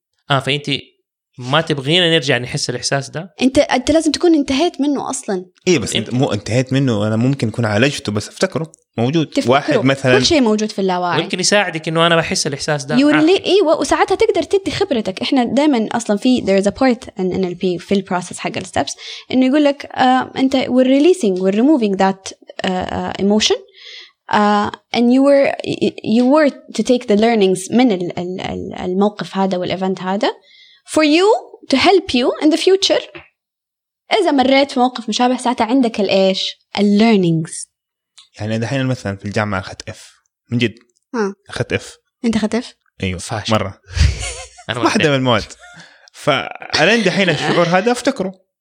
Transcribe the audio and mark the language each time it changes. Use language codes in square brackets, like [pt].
[ar] آه، فأنت ما تبغينا نرجع نحس الإحساس ده؟ أنت لازم تكون انتهيت منه أصلا. إيه بس أنت مو انتهيت منه، أنا ممكن يكون عالجته بس أفتكره موجود. واحد مثلا كل شيء موجود في اللاوعي، ممكن يساعدك انه انا بحس الاحساس ده. يورلي ايوه، وساعتها تقدر تدي خبرتك. احنا دائما اصلا في [en] there is a part in NLP [ar] في البروسيس حق الستبس، انه يقول لك انت [en] we're releasing we're removing that emotion and you were to take the learnings [ar] من الموقف هذا والايفنت هذا [en] for you to help you in the future. [ar] اذا مريت في موقف مشابه ساعتها عندك الايش learnings. يعني دحين مثلا في الجامعة أخذت F من جد. أخذت F. أنت أخذت F؟ أيوة. فاشل مرة. أنا واحدة من المواد. فأنا دحين الشعور هذا أفتكره.